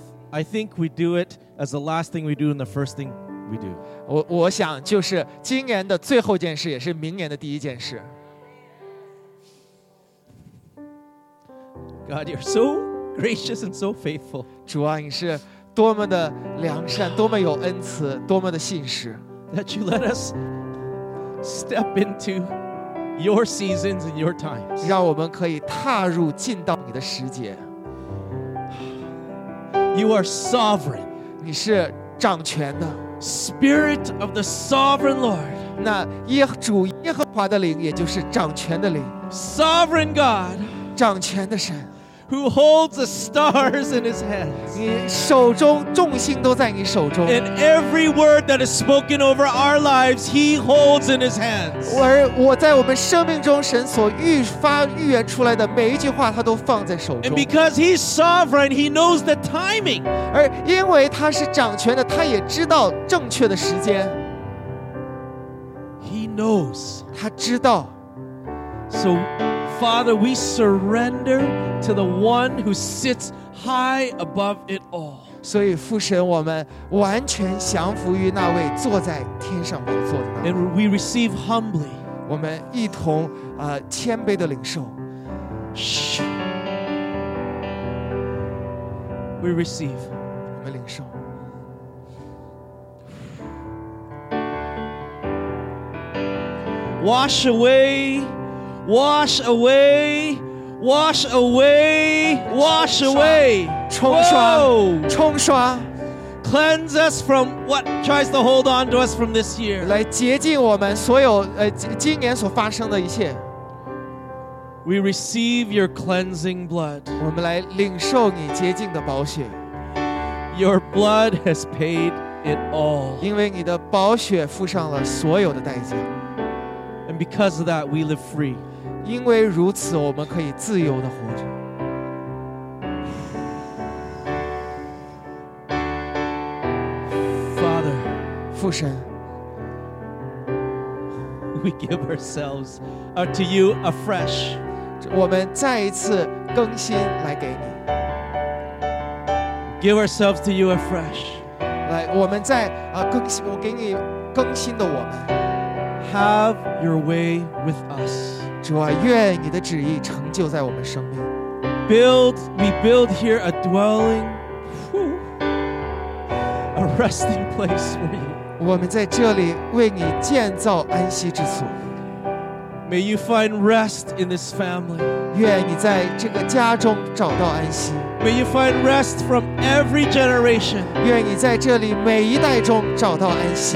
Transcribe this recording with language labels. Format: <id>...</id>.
<en>I think we do it as the last thing we do and the first thing we do.</en> <zh>我想就是今年的最后件事也是明年的第一件事。</zh> <en>God, you're so gracious and so faithful.</en> <zh>主啊你是多么的良善多么有恩慈多么的信实。</zh> <en>That you let us... Step into your seasons and your times.</en> <zh>让我们可以踏入进到你的时节。</zh> <en>You are sovereign.</en> <zh>你是掌权的。</zh> <en>Spirit of the sovereign Lord.</en> <zh>那主耶和华的灵，也就是掌权的灵。</zh> <en>Sovereign God.</en> <zh>掌权的神。</zh> <en>Who holds the stars in his hands?</en> <zh>你手中众星都在你手中。</zh> <en>And every word that is spoken over our lives, he holds in his hands.</en> <zh>我在我们生命中神所预言出来的每一句话，他都放在手中。</zh> <en>And because he's sovereign, he knows the timing.</en> <zh>而因为他是掌权的，他也知道正确的时间。</zh> <en>He knows.</en> <zh>他知道。</zh> <en>So. Father, we surrender to the one who sits high above it all.</en> <zh>所以父神，我们完全降服于那位坐在天上宝座的。</zh> <en>And we receive humbly.</en> <zh>我们一同谦卑的领受。</zh> <en>We receive.</en> <zh>我们领受。</zh> <en>Wash away. Wash away, wash away, wash away.</en> <zh>冲刷，冲刷。</zh> <en>Cleanse us from what tries to hold on to us from this year.</en> <zh>来洁净我们所有今年所发生的一切。</zh> <en>We receive your cleansing blood.</en> <zh>我们来领受你洁净的宝血。</zh> <en>Your blood has paid it all.</en> <zh>因为你的宝血付上了所有的代价。</zh> <en>And because of that, we live free.</en> <zh>因为如此，我们可以自由地活着。父神。</zh> <en>We give ourselves to you afresh.</en> <zh>我们再一次更新来给你。</zh> <en>Give ourselves to you afresh.</en> <zh>来，我们再更新，我给你更新的我们。</zh> <en>Have your way with us.</en> <zh>主啊，愿你的旨意成就在我们生命。</zh> <en>We build here a dwelling, a resting place for you.</en> <zh>我们在这里为你建造安息之所。</zh> <en>May you find rest in this family.</en> <zh>愿你在这个家中找到安息。</zh> <en>May you find rest from every generation.</en> <zh>愿你在这里每一代中找到安息。</zh>